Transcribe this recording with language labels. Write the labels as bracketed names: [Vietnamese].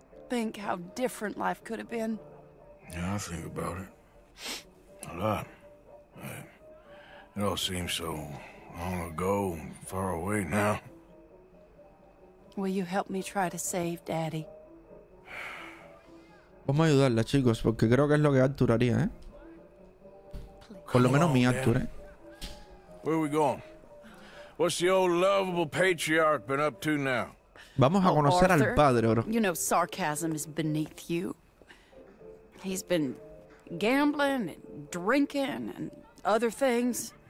[English] Think how different life could have been. Yeah, I think about it. A lot. It all seems so long ago and far away now. Will you help me try to save Daddy? [Spanish] Vamos a ayudarla, chicos, porque creo que es lo que Arthur haría, ¿eh? Por lo menos mi Arthur, ¿eh? [English] Where are we going? What's the old lovable patriarch been up to now? [Spanish] Vamos a conocer Arthur, al padre, oro. [English] You know, sarcasm is beneath you. He's been... gambling and drinking and other things.